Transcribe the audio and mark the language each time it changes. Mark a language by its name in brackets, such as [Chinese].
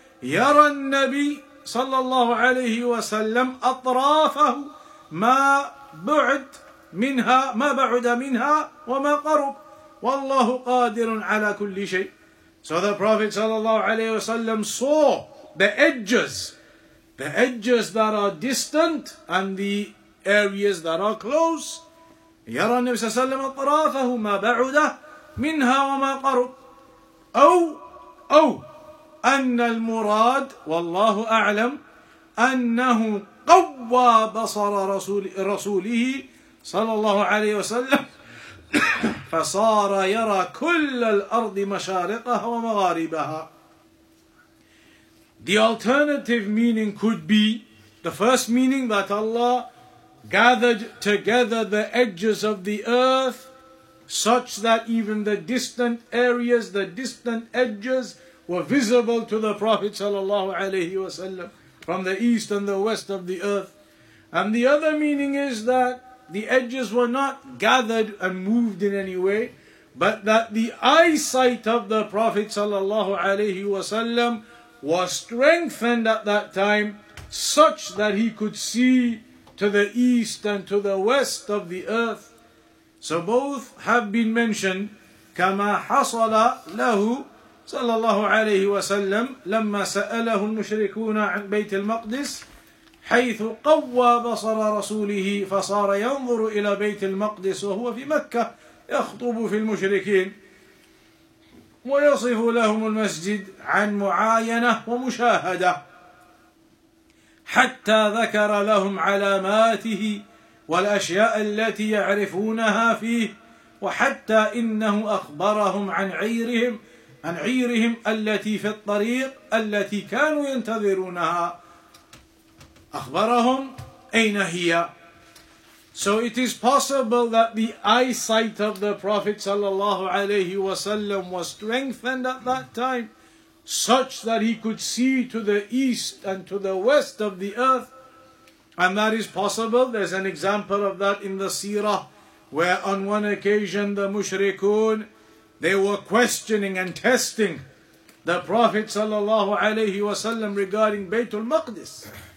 [Arabic] يَرَى النَّبِيُّ صلى الله عليه وسلم أَطْرَافَهُ مَا بَعُدَ مِنْهَا وَمَا قَرُبْ وَاللَّهُ قَادِرٌ عَلَى كُلِّ شَيْءٍ. [English] So the Prophet صلى الله عليه وسلم saw the edges that are distant and the areas that are close. [Arabic] يرى النبي صلى الله عليه وسلم أطرافه ما بعد منها وما قرب أو أن المراد والله أعلم أنه قوى بصر رسوله صلى الله عليه وسلم فصار يرى كل الأرض مشارقها ومغاربها. [English] The alternative meaning could be the first meaning, that Allah gathered together the edges of the earth such that even the distant areas, the distant edges were visible to the Prophet sallallahu alayhi wasallam from the east and the west of the earth. And the other meaning is that the edges were not gathered and moved in any way, but that the eyesight of the Prophet sallallahu alayhi wasallam was strengthened at that time such that he could see to the east and to the west of the earth. So both have been mentioned. [Arabic] كَمَا حَصَلَ لَهُ صلى الله عليه وسلم لما سأله المشركون عن بيت المقدس حيث قوى بصر رسوله فصار ينظر إلى بيت المقدس وهو في مكة يخطب في المشركين ويصف لهم المسجد عن معاينة ومشاهدة حتى ذكر لهم علاماته والأشياء التي يعرفونها فيه وحتى إنه أخبرهم عن عيرهم التي في الطريق التي كانوا ينتظرونها أخبرهم أين هي. [English] So it is possible that the eyesight of the Prophet sallallahu alayhi wasallam was strengthened at that time such that he could see to the east and to the west of the earth. And that is possible. There's an example of that in the seerah, where on one occasion the mushrikun, they were questioning and testing the Prophet sallallahu alayhi wasallam regarding Baytul Maqdis.